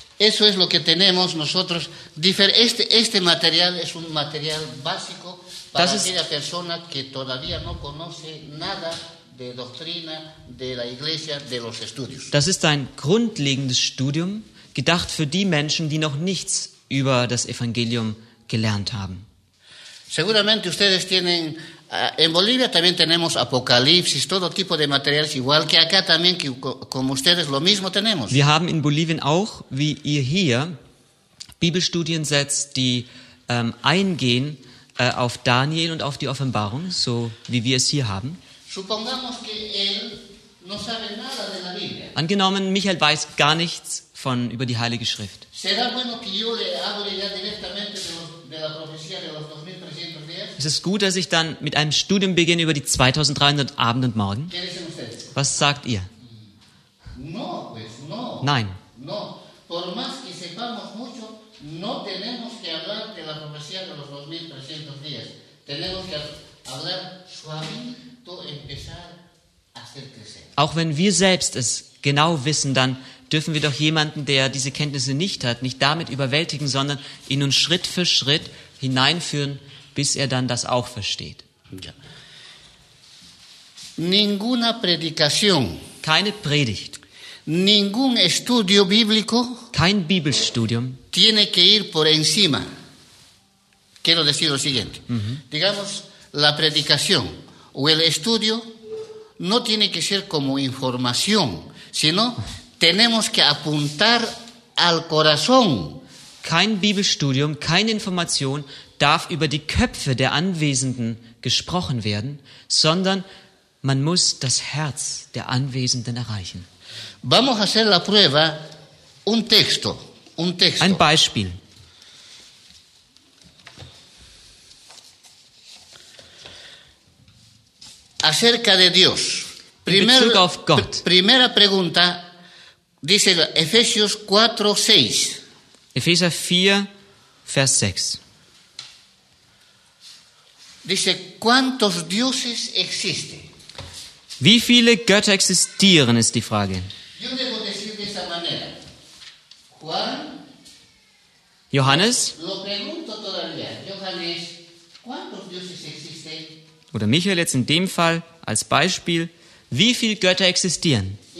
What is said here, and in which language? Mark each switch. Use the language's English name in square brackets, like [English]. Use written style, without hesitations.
[Spanish] Eso es lo que tenemos nosotros. Este material es un material básico para aquella persona que todavía no conoce nada de doctrina de la iglesia, de los estudios. [German] Das ist ein grundlegendes Studium, gedacht für die Menschen, die noch nichts über das Evangelium gelernt haben. [Spanish] Seguramente ustedes tienen, en Bolivia también tenemos Apocalipsis, todo tipo de materiales, igual que acá también, que como ustedes lo mismo tenemos. [German] Wir haben in Bolivien auch, wie ihr hier, Bibelstudiensets, die eingehen auf Daniel und auf die Offenbarung, so wie wir es hier haben. [Spanish] Supongamos que él no sabe nada de la Biblia. [German] Angenommen, Michael weiß gar nichts über die Heilige Schrift. [Spanish] Será bueno que yo le hable ya directamente de la profecía de los 2300 días. [German] Es ist gut, dass ich dann mit einem Studium beginne über die 2300 Abend und Morgen. Was sagt ihr? [Spanish] No, pues no. [German] Nein. [Spanish] No. Por más que sepamos mucho, no tenemos que hablar de la profecía de los 2300 días. Tenemos que hablar suavito, empezar a hacer crecer. [German] Auch wenn wir selbst es genau wissen, dann dürfen wir doch jemanden, der diese Kenntnisse nicht hat, nicht damit überwältigen, sondern ihn nun Schritt für Schritt hineinführen, bis er dann das auch versteht. Ja. [Spanish] Ninguna predicación. [German] Keine Predigt. [Spanish] Ningún estudio bíblico. [German] Kein Bibelstudium. [Spanish] Tiene que ir por encima. Quiero decir lo siguiente. Digamos, la predicación o el estudio no tiene que ser como información, sino tenemos que apuntar al corazón. [German] Kein Bibelstudium, keine Information darf über die Köpfe der Anwesenden gesprochen werden, sondern man muss das Herz der Anwesenden erreichen. [Spanish] Vamos a hacer la prueba, un texto. [German] Ein Beispiel. [Spanish] Acerca de Dios. [German] In Bezug auf Gott. [Spanish] Primera pregunta. Dice Efesios 4, 6. [German] Efesios 4, Vers 6. [Spanish] Dice, ¿cuántos dioses existen? [German] Wie viele Götter existieren, ist die Frage. [Spanish] Yo debo decir de esa manera. Juan. [German] Johannes. [Spanish] Lo pregunto todavía. Johannes, ¿cuántos dioses existen? [German] Oder Michael jetzt in dem Fall als Beispiel. Wie viele Götter existieren?